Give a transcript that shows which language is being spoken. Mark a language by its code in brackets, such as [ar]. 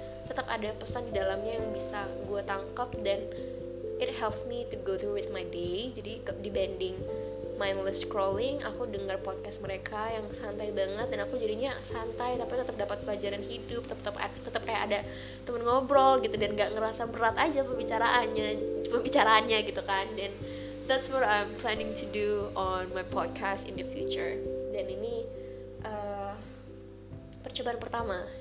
[id] Tetap ada pesan di dalamnya yang bisa gue tangkap, dan [en] it helps me to go through with my day. [id] Jadi dibanding mindless scrolling, aku dengar podcast mereka yang santai banget, dan aku jadinya santai tapi tetap dapat pelajaran hidup, tetap kayak ada teman ngobrol gitu, dan gak ngerasa berat aja pembicaraannya gitu kan. Dan [en] that's what I'm planning to do on my podcast in the future. [id] Dan ini percobaan pertama.